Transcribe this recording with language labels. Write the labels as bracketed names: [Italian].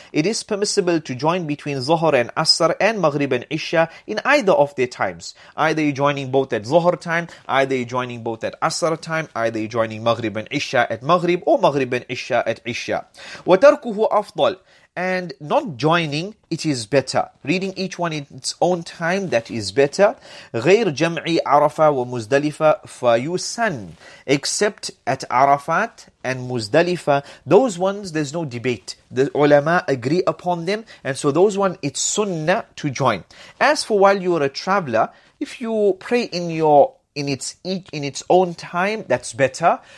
[English] It is permissible to join between zuhr and asr and maghrib and isha in either of their times. Either you're joining both at zuhr time, either you're joining both at asr time, either you're joining maghrib and isha at maghrib or maghrib and isha at isha. [Arabic] Wa tarkuhu afdal. [English] And not joining, it is better. Reading each one in its own time, that is better. [Arabic] غير جمعي عرفة ومزدلفة فيوسن. [English] Except at Arafat and Muzdalifah, those ones, there's no debate. The ulama agree upon them. And so those ones, it's sunnah to join. As for while you're a traveler, if you pray in its own time, that's better.